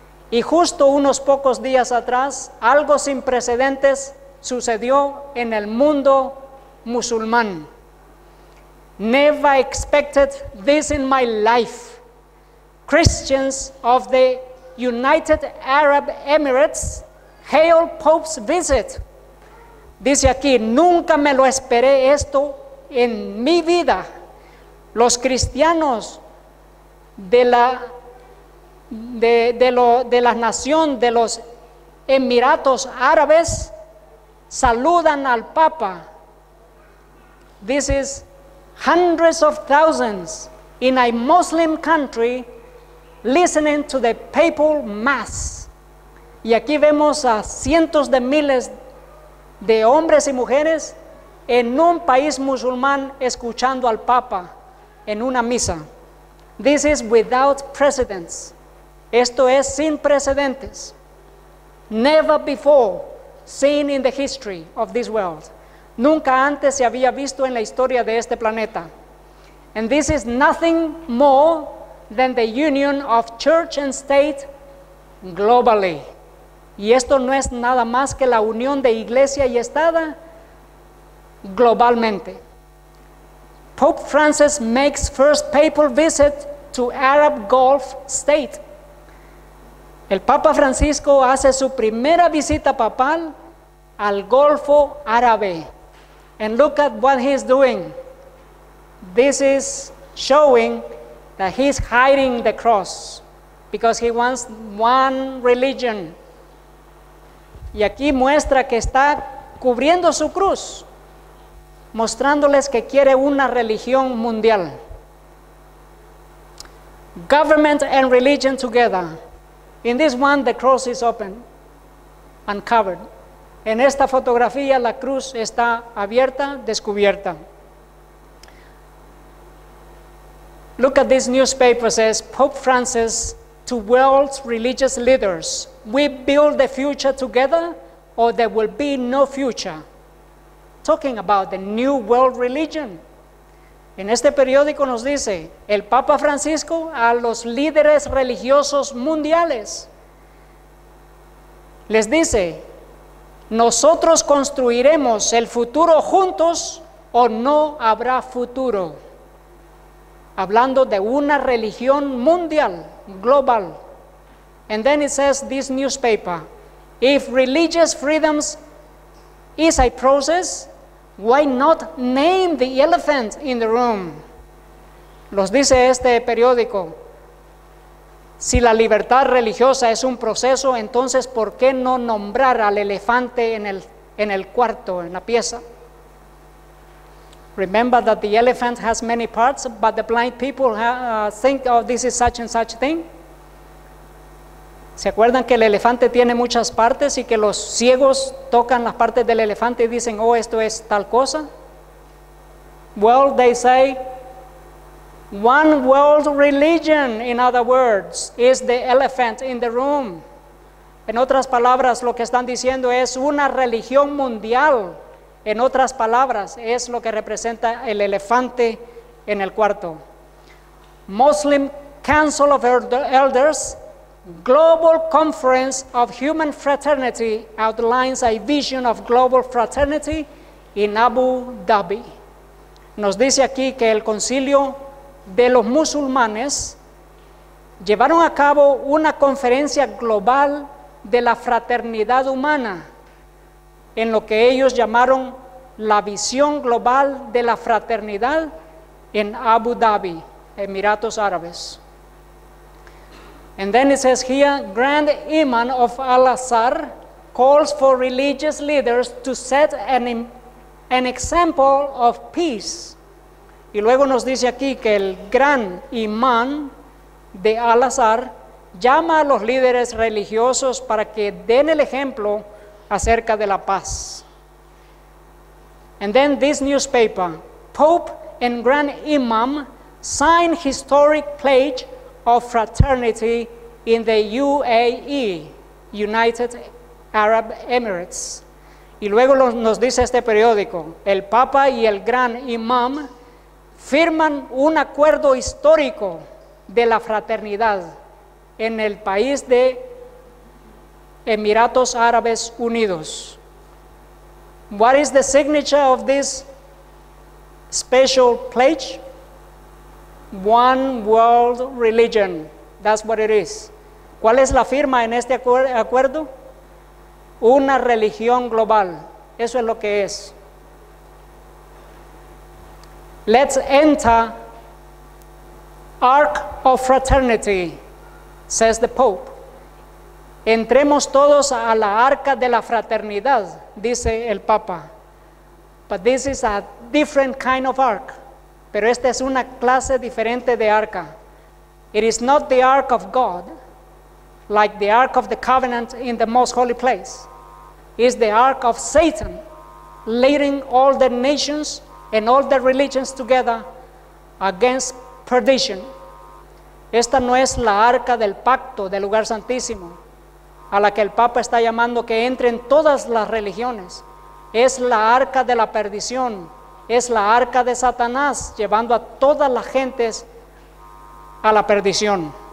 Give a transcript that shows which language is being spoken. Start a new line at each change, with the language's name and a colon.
Spanish: Y justo unos pocos días atrás, algo sin precedentes sucedió en el mundo musulmán.
English: Never expected this in my life. Christians of the United Arab Emirates hailed Pope's visit.
Spanish: Dice aquí, nunca me lo esperé esto en mi vida. Los cristianos de la nación de los Emiratos Árabes saludan al Papa.
English: This is hundreds of thousands in a Muslim country listening to the papal mass.
Spanish: Y aquí vemos a cientos de miles de hombres y mujeres en un país musulmán escuchando al Papa en una misa.
English: This is without precedents.
Spanish: Esto es sin precedentes.
English: Never before seen in the history of this world.
Spanish: Nunca antes se había visto en la historia de este planeta.
English: And this is nothing more than the union of church and state globally.
Spanish: Y esto no es nada más que la unión de iglesia y estado globalmente.
English: Pope Francis makes first papal visit to Arab Gulf state.
Spanish: El Papa Francisco hace su primera visita papal al Golfo Árabe.
English: And look at what he's doing. This is showing that he's hiding the cross because he wants one religion.
Spanish: Y aquí muestra que está cubriendo su cruz, mostrándoles que quiere una religión mundial.
English: Government and religion together. In this one, the cross is open, uncovered.
Spanish: En esta fotografía, la cruz está abierta, descubierta.
English: Look at this newspaper, says Pope Francis to world's religious leaders. We build the future together, or there will be no future. Talking about the new world religion.
Spanish: En este periódico nos dice el Papa Francisco a los líderes religiosos mundiales. Les dice, nosotros construiremos el futuro juntos o no habrá futuro. Hablando de una religión mundial, global.
English: And then it says this newspaper, if religious freedoms is a process, why not name the elephant in the room?
Spanish: Los dice este periódico. Si la libertad religiosa es un proceso, entonces ¿por qué no nombrar al elefante en el cuarto, en la pieza?
English: Remember that the elephant has many parts, but the blind people think, oh, this is such and such thing.
Spanish: ¿Se acuerdan que el elefante tiene muchas partes y que los ciegos tocan las partes del elefante y dicen, oh, esto es tal cosa?
English: Well, they say, one world religion, in other words, is the elephant in the room.
Spanish: En otras palabras, lo que están diciendo es una religión mundial. En otras palabras, es lo que representa el elefante en el cuarto.
English: Muslim Council of Elders, Global Conference of Human Fraternity outlines a vision of global fraternity in Abu Dhabi.
Spanish: Nos dice aquí que el Concilio de los Musulmanes llevaron a cabo una conferencia global de la fraternidad humana en lo que ellos llamaron la visión global de la fraternidad en Abu Dhabi, Emiratos Árabes.
English: And then it says here, Grand Imam of Al-Azhar calls for religious leaders to set an example of peace.
Spanish: Y luego nos dice aquí que el Gran Imán de Al-Azhar llama a los líderes religiosos para que den el ejemplo acerca de la paz.
English: And then this newspaper, Pope and Grand Imam sign historic pledge of fraternity in the UAE, United Arab Emirates.
Spanish: Y luego nos dice este periódico, el Papa y el Gran Imam firman un acuerdo histórico de la fraternidad en el país de Emiratos Árabes Unidos.
English: What is the signature of this special pledge? One world religion. That's what it is.
Spanish: ¿Cuál es la firma en este acuerdo? Una religión global. Eso es lo que es.
English: Let's enter Ark of Fraternity, says the Pope.
Spanish: Entremos todos a la arca de la fraternidad, dice el Papa.
English: But this is a different kind of ark.
Spanish: Pero esta es una clase diferente de arca.
English: It is not the ark of God, like the ark of the covenant in the most holy place. It's the ark of Satan, leading all the nations and all the religions together against perdition.
Spanish: Esta no es la arca del pacto del lugar santísimo, a la que el Papa está llamando que entren todas las religiones. Es la arca de la perdición, es la arca de Satanás, llevando a todas las gentes a la perdición.